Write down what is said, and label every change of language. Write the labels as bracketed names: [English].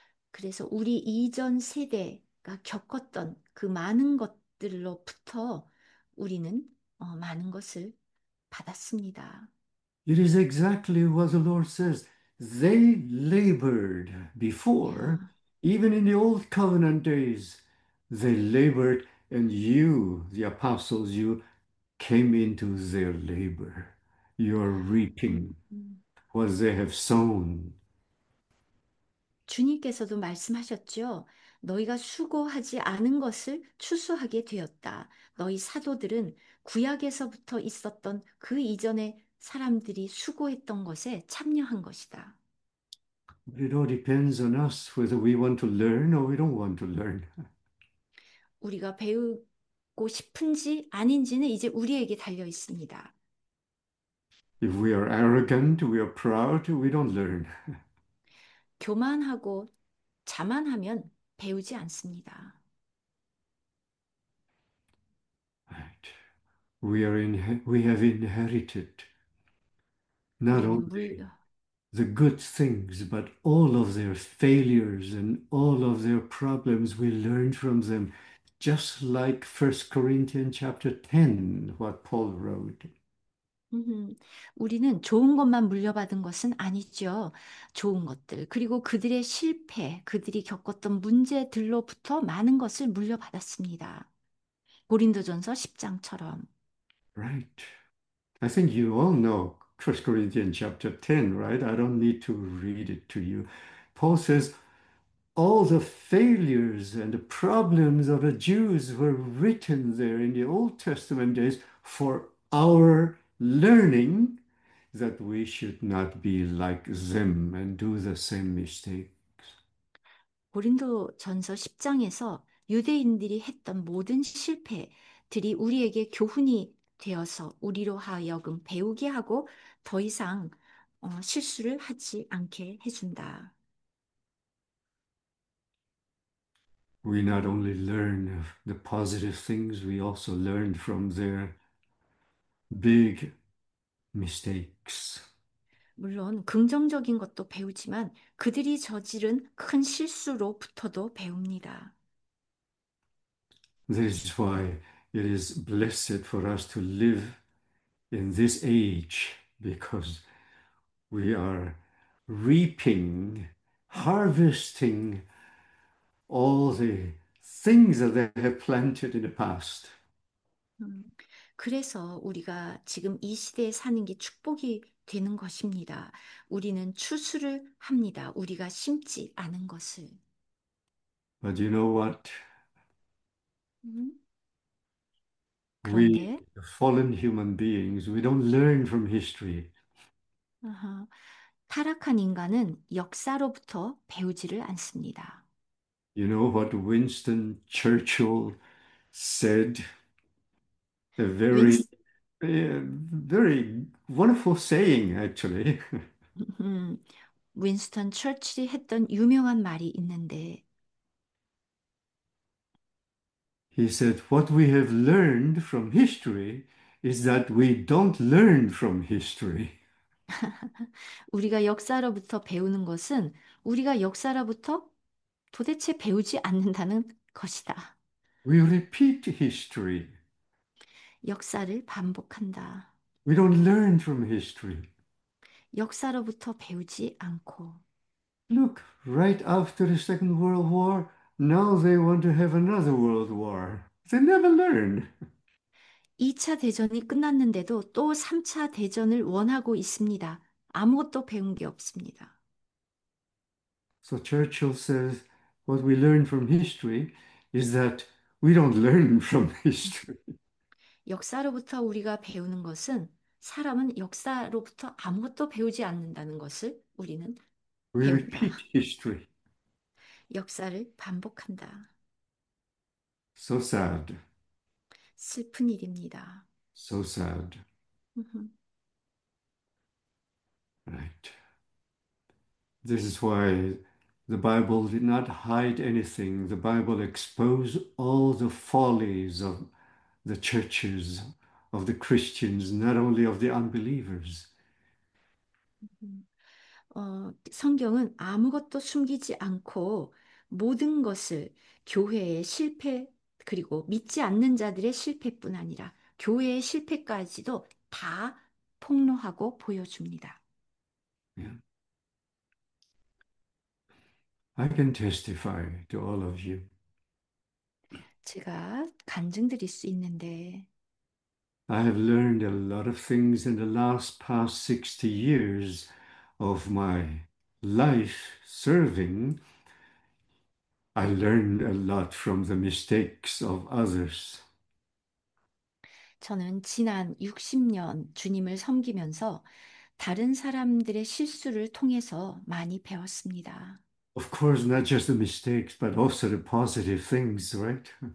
[Korean] 그래서 우리 이전 세대 겪었던 그 많은 것들로부터 우리는 많은 것을 받았습니다. [English] It is exactly what the Lord says. They labored before, even in the old covenant days, they labored, and you, the apostles, you came into their labor. You are reaping what they have sown. [Korean] 주님께서도 말씀하셨죠. 너희가 수고하지 않은 것을 추수하게 되었다. 너희 사도들은 구약에서부터 있었던 그 이전에 사람들이 수고했던 것에 참여한 것이다. [English] It all depends on us whether we want to learn or we don't want to learn. [Korean] 우리가 배우고 싶은지 아닌지는 이제 우리에게 달려 있습니다. [English] If we are arrogant, we are proud, we don't learn. [Korean] 교만하고 자만하면 배우지 않습니다. [English] We have inherited not only [Korean] 우리는 물려. [English] the good things, but all of their failures and all of their problems, we learn from them, just like 1 Corinthians chapter 10, what Paul wrote. [Korean] 우리는 좋은 것만 물려받은 것은 아니죠. 좋은 것들, 그리고 그들의 실패, 그들이 겪었던 문제들로부터 많은 것을 물려받았습니다. 고린도전서 10장처럼. [English] Right. I think you all know 1 Corinthians chapter 10, right? I don't need to read it to you. Paul says all the failures and the problems of the Jews were written there in the Old Testament days for our learning that we should not be like them and do the same mistakes. [Korean] 고린도전서 10장에서 유대인들이 했던 모든 실패들이 우리에게 교훈이 되어서 우리로 하여금 배우게 하고 더 이상 실수를 하지 않게 해준다. [English] We not only learn the positive things, we also learn from their big mistakes. [Korean] 물론 긍정적인 것도 배우지만 그들이 저지른 큰 실수로부터도 배웁니다. [English] This is why it is blessed for us to live in this age, because we are reaping, harvesting all the things that they have planted in the past. [Korean] 그래서 우리가 지금 이 시대에 사는 게 축복이 되는 것입니다. 우리는 추수를 합니다. 우리가 심지 않은 것을. [English] But you know what? [Korean] 그런데 [English] We fallen human beings, we don't learn from history. [Korean] 타락한 인간은 역사로부터 배우지를 않습니다. [English] You know what Winston Churchill said? A very, very wonderful saying, actually. [Korean] 윈스턴 처칠이 했던 유명한 말이 있는데 [English] He said, "What we have learned from history is that we don't learn from history." [Korean] 우리가 역사로부터 배우는 것은 우리가 역사로부터 도대체 배우지 않는다는 것이다. [English] We repeat history. [Korean] 역사를 반복한다. [English] We don't learn from history. [Korean] 역사로부터 배우지 않고. [English] Look, right after the Second World War. Now they want to have another world war. They never learn. [Korean] 2차 대전이 끝났는데도 또 3차 대전을 원하고 있습니다. 아무것도 배운 게 없습니다. [English] So Churchill says, what we learn from history is that we don't learn from history. [Korean] 역사로부터 우리가 배우는 것은 사람은 역사로부터 아무것도 배우지 않는다는 것을 우리는 [English] We [Korean] 배운다. [English] repeat history. [Korean] 역사를 반복한다. [English] So sad. [Korean] 슬픈 일입니다. [English] So sad. This is why the Bible did not hide anything. The Bible exposed all the follies of the churches, of the Christians, not only of the unbelievers. [Korean] 성경은 아무것도 숨기지 않고 모든 것을 교회의 실패, 그리고 믿지 않는 자들의 실패뿐 아니라 교회의 실패까지도 다 폭로하고 보여줍니다. [English] I can testify to all of you. [Korean] 제가 간증드릴 수 있는데, [English] I have learned a lot of things in the last past 60 years of my life serving. I learned a lot from the mistakes of others. [Korean] 저는 지난 60년 주님을 섬기면서 다른 사람들의 실수를 통해서 많이 배웠습니다. [English] Of course, not just the mistakes, but also the positive things, right?